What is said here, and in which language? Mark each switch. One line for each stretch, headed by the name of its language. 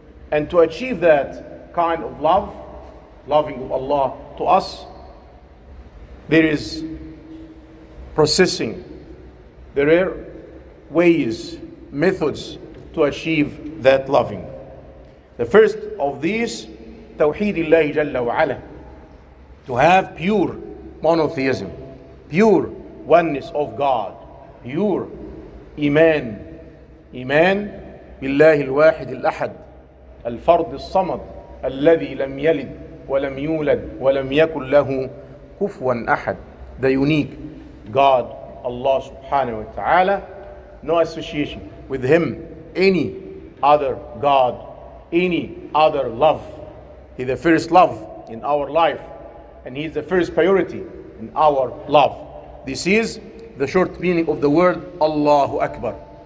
English: And to achieve that kind of love, loving of Allah to us, there is processing, there are ways, methods to achieve that loving. The first of these,
Arabic: Tawheedillahi Jalla wa Ala.
English: To have pure monotheism, pure oneness of God, pure
Arabic: إيمان، إيمان بالله الواحد الأحد الفرد الصمد الذي لم يلد ولم يولد ولم يكن له كفوا أحد.
English: The unique God, Allah subhanahu wa ta'ala. No association with him, any other God, any other love. He's the first love in our life and he's the first priority in our love. This is the short meaning of the word Allahu Akbar.